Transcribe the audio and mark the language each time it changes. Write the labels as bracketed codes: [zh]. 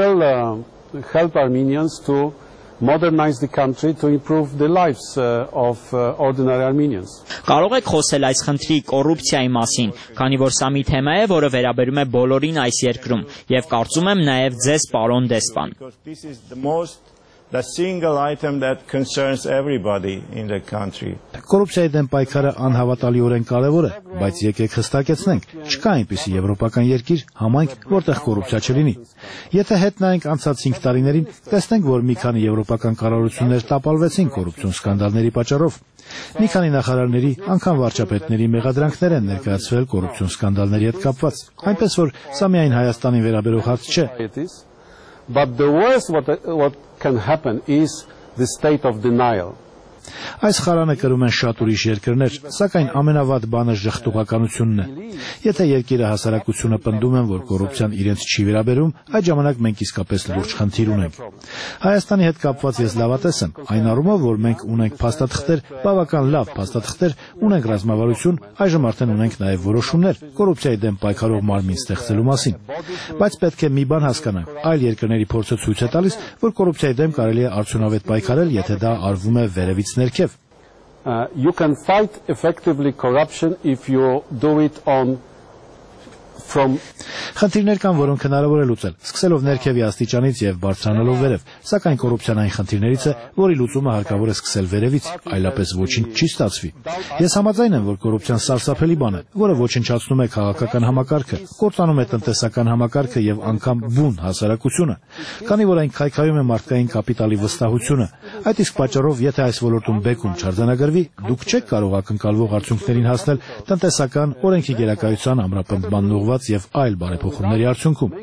[en] It will help Armenians to modernize the country, to improve the lives of ordinary Armenians. [hy] Կարող եք խոսել այս խնդրի կոռուպցիայի մասին, քանի որ սա մի թեմա է, որը վերաբերում է բոլորին այս երկրում, եւ կարծում եմ նաեւ ձեզ, պարոն Դեսպան. [en] This is the most the single item that concerns everybody in the country. [hy] Կոռուպցիայի դեմ պայքարը անհավատալիորեն կարևոր է, բայց եկեք հստակեցնենք, չկա այնպիսի եվրոպական երկիր, համայնք, որտեղ կոռուպցիա չլինի։ Եթե հետ նայենք անցած 5 տարիներին, տեսնենք, որ մի քանի եվրոպական կառավարություններ տապալվեցին կոռուպցիոն սկանդալների պատճառով։ Մի քանի նախարարների, անկան վարչապետների մեղադրանքներ են ներկայացվել կոռուպցիոն սկանդալների հետ կապված, այնպես որ սա միայն Հայաստանին վերաբերող հարց չէ։ [en] But the worst what can happen is the state of denial. [hy] Այս խարանը կրում են շատ ուրիշ երկրներ, սակայն ամենավատ բանը ժխտողականությունն է։ Եթե երկիրը հասարակությունը պնդում են, որ կոռուպցիան իրենց չի վերաբերում, այդ ժամանակ մենք իսկապես լուրջ խնդիր ունենք։ Հայաստանի հետ կապված ես լավատես եմ, այն առումով, որ մենք ունենք փաստաթղթեր, բավական լավ փաստաթղթեր, ունենք ռազմավարություն, այժմ արդեն ունենք նաև որոշումներ կոռուպցիայի դեմ պայքարող մարմին ստեղծելու մասին։ Բայց պետք է մի բան հասկանանք, այլ երկրների փորձը ցույց է տալիս, որ կոռուպցիայի դեմ կարելի է արդյունավետ պայքարել, եթե դա արվում է վերևից ներքև։ [en] You can fight effectively corruption if you do it from [hy] Խնդիրներ կան, որոնք հնարավոր է լուծել, սկսելով ներքևի աստիճանից եւ բարձրանալով վերև, սակայն կոռուպցիան այն խնդիրներից է, որի լուծումը հարկավոր է սկսել վերևից, այլապես ոչինչ չի ստացվի։ Ես համաձայն եմ, որ կոռուպցիան սարսափելի բան է, որը ոչնչացնում է քաղաքական համակարգը, կործանում է տնտեսական համակարգը եւ անգամ բուն հասարակությունը, քանի որ այն քայքայում է մարդկային կապիտալի վստահությունը։ Այդ իսկ պատճառով, եթե այս ոլորտում բեկում չարձանագրվի, դուք չեք կարող ակնկալվող արդյունքներին հասնել տնտեսական օրենքի գերակայության ամրապնդման ուղված եւ այլ բարեփոխումների արդյունքում։